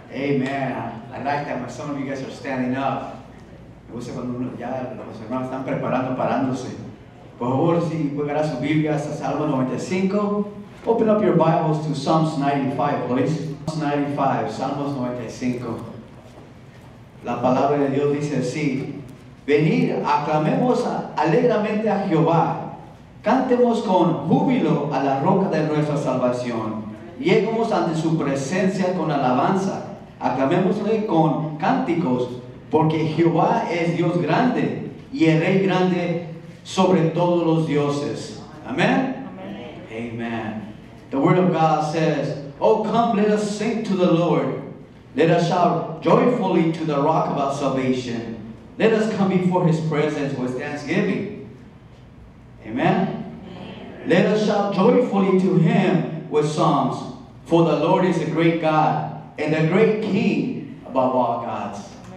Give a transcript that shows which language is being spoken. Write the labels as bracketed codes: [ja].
[en] Amen. I like that some of you guys are standing up. [es] Me gusta cuando uno ya los hermanos están preparando, parándose. Por favor, si pueden su Biblia hasta Salmo 95. [en] Open up your Bibles to Psalms 95, please. Psalms 95, Salmos 95. [es] La palabra de Dios dice así. Venid, aclamemos alegremente a Jehová. Cantemos con júbilo a la roca de nuestra salvación. Lleguemos ante su presencia con alabanza. Aclamémosle con cánticos, porque Jehová es Dios grande y el Rey grande sobre todos los dioses. Amén. Amén. [en] Amen. The word of God says, oh come, let us sing to the Lord. Let us shout joyfully to the rock of our salvation. Let us come before his presence with thanksgiving. Amen? Amen. Let us shout joyfully to him with psalms. For the Lord is a great God and a great King above all gods.